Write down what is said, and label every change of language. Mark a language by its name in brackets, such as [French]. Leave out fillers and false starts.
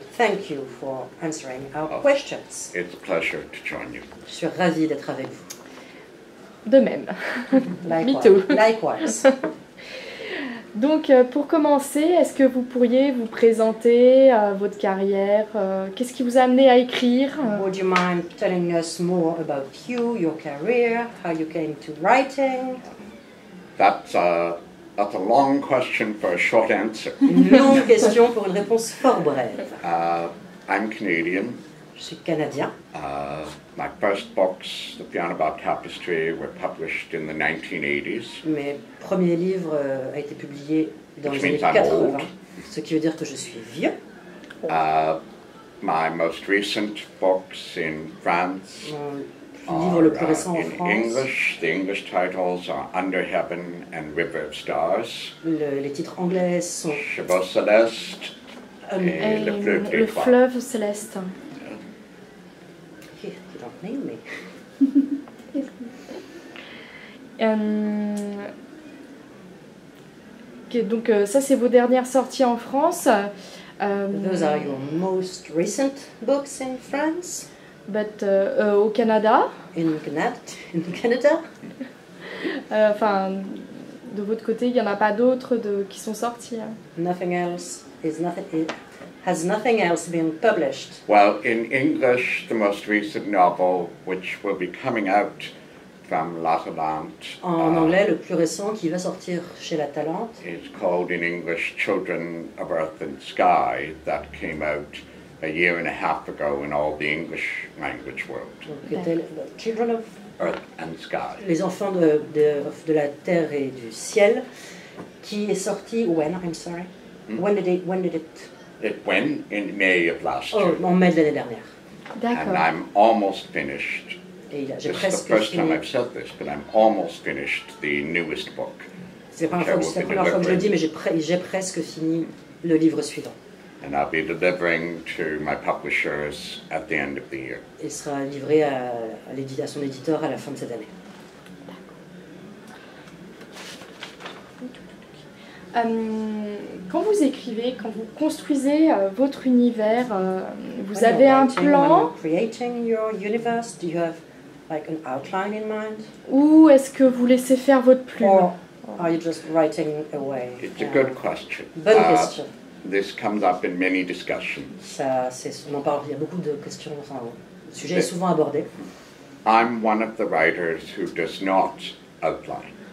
[English] Thank you for answering our questions. It's a pleasure to join you. [French] Je suis ravie d'être avec vous. De même. [English] Likewise. [French] Donc, pour commencer, est-ce que vous pourriez vous présenter votre carrière? Qu'est-ce qui vous a amené à écrire? [English] Would you mind telling us more about you, your career, how you came to writing? That's a long question for a short answer. [French] Une longue question pour une réponse fort brève. [English] I'm Canadian. [French] Je suis Canadien. [English] My first books, The Piano About Tapestry, were published in the 1980s. [French] Mes premiers livres a été publié dans [English] Which [French] les années 80, ce qui veut dire que je suis vieux. [English] My most recent books in France. [French] Le livre le plus récent en France. [English] The English titles are Under Heaven and River of Stars. [French] Les titres anglais sont Chevaux Célestes et Le Fleuve Céleste. [English] Yeah. Here, you don't name me. [French] Okay, donc ça c'est vos dernières sorties en France. [English] Those are your most recent books in France. [French] But au Canada. [English] In Canada. [French] Enfin, de votre côté, il y en a pas d'autres qui sont sortis. Hein. [English] Has nothing else been published. Well, in English, the most recent novel, which will be coming out from La Talente. [French] En anglais, le plus récent qui va sortir chez La Talente. [English] Is called in English "Children of Earth and Sky," that came out a year and a half ago in all the English language world. Children of Earth and Sky. [French] Les enfants de la terre et du ciel, qui est sorti [English] when? I'm sorry. Mm-hmm. When did it? In May of last year. [French] En mai de l'année dernière. D'accord. [English] And I'm almost finished. I'm almost finished the newest book. [French] J'ai presque fini le livre suivant. [English] And I'll be delivering to my publishers at the end of the year. [French] Il sera livré à son éditeur à la fin de cette année. Quand vous écrivez, quand vous construisez votre univers, vous avez un plan? [English] When you're creating your universe, do you have like an outline in mind? [French] Ou est-ce que vous laissez faire votre plume? [English] Or are you just writing away? It's a good question. [French] Bonne question. [English] This comes up in many discussions. [French] Il y a beaucoup de questions, enfin, le sujet est souvent abordé. [English] I'm one of the writers who does not outline.